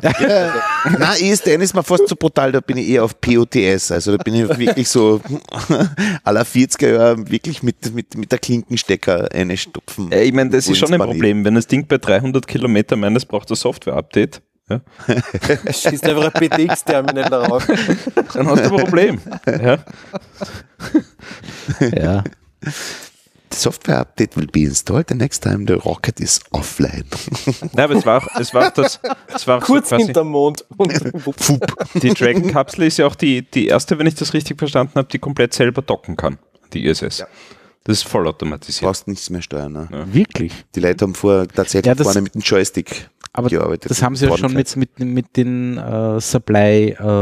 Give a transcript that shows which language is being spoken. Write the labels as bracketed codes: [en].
[de] Nein, ISDN ist mir fast zu brutal, da bin ich eher auf POTS, also da bin ich wirklich so aller 40er Jahre wirklich mit der Klinkenstecker eine stopfen. Ich meine, das ist schon ein Problem, wenn das Ding bei 300 Kilometer meint, es braucht ein Software-Update. Ja. Schießt einfach ein PTX-Terminal darauf. Dann hast du ein Problem. Ja. [en] The software update will be installed the next time the rocket is offline. [de] Nein, aber es war kurz so hinterm Mond. Und die Dragon-Kapsel ist ja auch die erste, wenn ich das richtig verstanden habe, die komplett selber docken kann, die ISS. Ja. Das ist voll automatisiert. Du brauchst nichts mehr steuern. Ne? Ja. Wirklich? Die Leute haben vorher tatsächlich vorne mit dem Joystick aber gearbeitet. Das haben sie ja schon mit den Supply.